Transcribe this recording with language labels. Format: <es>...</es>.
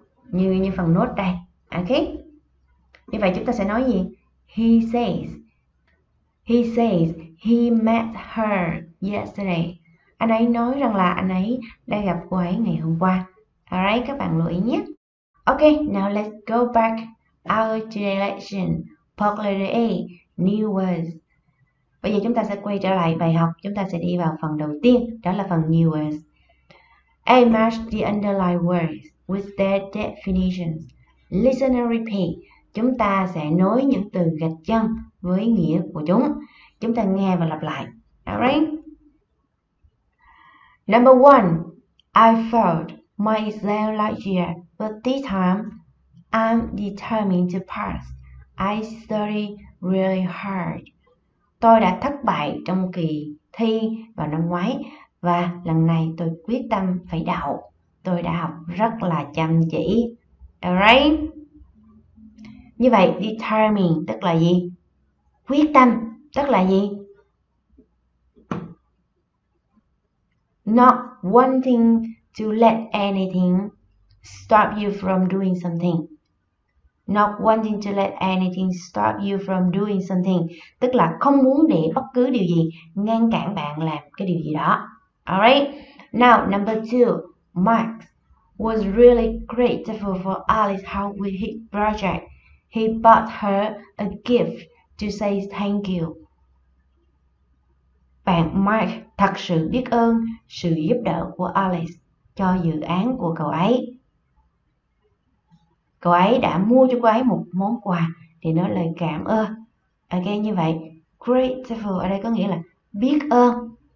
<vi>Như phần nốt đây. Ok. Như vậy chúng ta sẽ nói gì?</vi> <en>He says he met her yesterday.</en> <vi>Anh ấy nói rằng là anh ấy đã gặp cô ấy ngày hôm qua. Alright, các bạn lưu ý nhé.</vi> <en>Ok, now let's go back our today lesson. Part letter A, new words.</en> <vi>Bây giờ chúng ta sẽ quay trở lại bài học. Chúng ta sẽ đi vào phần đầu tiên, đó là phần new words.</vi> <en>A, match the underlying words with their definitions. Listen and repeat.</en> <vi>Chúng ta sẽ nối những từ gạch chân với nghĩa của chúng. Chúng ta nghe và lặp lại. Alright.</vi> <en>Number one, I failed my exam last year, but this time I'm determined to pass. I study really hard.</en> <vi>Tôi đã thất bại trong kỳ thi vào năm ngoái và lần này tôi quyết tâm phải đậu. Tôi đã học rất là chăm chỉ. Alright. Như vậy, determine tức là gì? Quyết tâm tức là gì?</vi> <en>Not wanting to let anything stop you from doing something. Not wanting to let anything stop you from doing something.</en> <vi>Tức là không muốn để bất cứ điều gì ngăn cản bạn làm cái điều gì đó.</vi> <en>Alright. Now, number two. Max was really grateful for Alice how with his project. He bought her a gift to say thank you.</en> <vi>Bạn Mark thật sự biết ơn sự giúp đỡ của Alice cho dự án của cậu ấy. Cậu ấy đã mua cho cô ấy một món quà để nói lời cảm ơn. Ok, như vậy, grateful ở đây có nghĩa là biết ơn.</vi>